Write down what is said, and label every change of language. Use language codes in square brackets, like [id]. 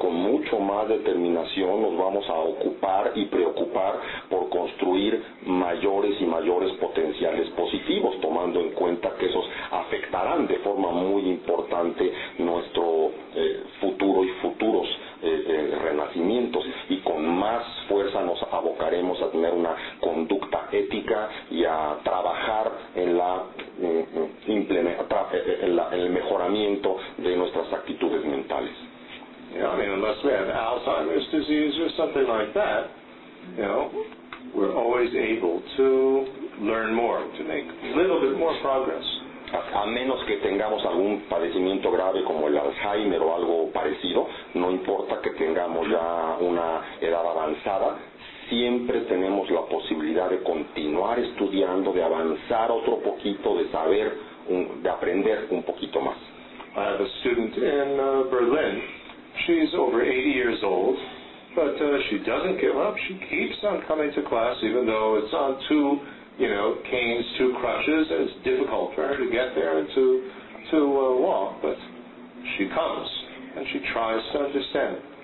[es] Con mucho más determinación nos vamos a ocupar y preocupar por construir mayores y mayores potenciales positivos, tomando en cuenta que esos afectarán de forma muy importante nuestro futuro y futuros renacimientos, y con más fuerza nos abocaremos a tener una conducta ética y a trabajar en la en el mejoramiento de nuestras actitudes mentales. [en] You know, I mean, unless we have Alzheimer's disease or something like that, you know, we're always able to learn more, to make a little bit more progress. [es] A menos que tengamos algún padecimiento grave como el Alzheimer o algo parecido, no importa que tengamos ya una edad avanzada, siempre tenemos la posibilidad de continuar estudiando, de avanzar otro poquito, de saber, de aprender un poquito más. [en] I have a student in Berlin. She's over 80 years old, but she doesn't give up. She keeps on coming to class, even though it's on two, you know, canes, two crutches, and it's difficult for her to get there and to walk, but she comes, and she tries to understand.